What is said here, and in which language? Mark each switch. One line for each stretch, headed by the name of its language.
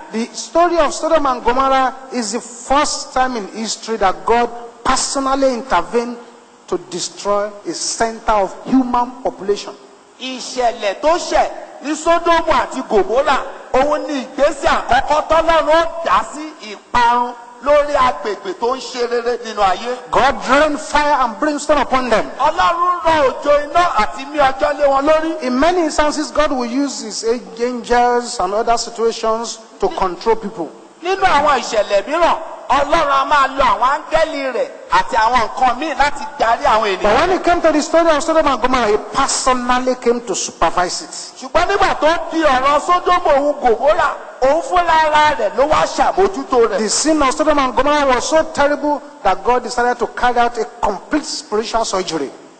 English: The story of Sodom and Gomorrah is the first time in history that God personally intervened to destroy a center of human population.
Yoruba: Ìṣẹ̀lẹ̀ tó ṣẹ̀ ní Sodom àti Gomorrah òun ni ìgbésẹ̀ àkọ́kọ́ tọ́lọ́run dá sí ìparun lórí agbègbè tó ń ṣe rere nínú ayé.
English: God rained fire and brimstone upon them.
Yoruba: Ọlọ́run rọ òjò iná àti mi ọjọ́ lé wọn lórí.
English: In many instances, God will use his angels and other situations to control people.
Yoruba: Nínú àwọn ìṣẹ̀lẹ̀ mìíràn, Ọlọ́run a máa lo àwọn angẹ́lì rẹ̀ àti àwọn nǹkan míì láti darí àwọn ènìyàn.
English: But when it came to the story of Sodom and Gomorrah, he personally came to supervise it.
Yoruba: Ṣùgbọ́n nígbà tó di ọ̀rọ̀ Sodom òun Gomorrah, òun fúnra rẹ̀ ló wá ṣàbójútó rẹ̀.
English: The sin of Sodom and Gomorrah was so terrible that God decided to carry out a complete spiritual surgery.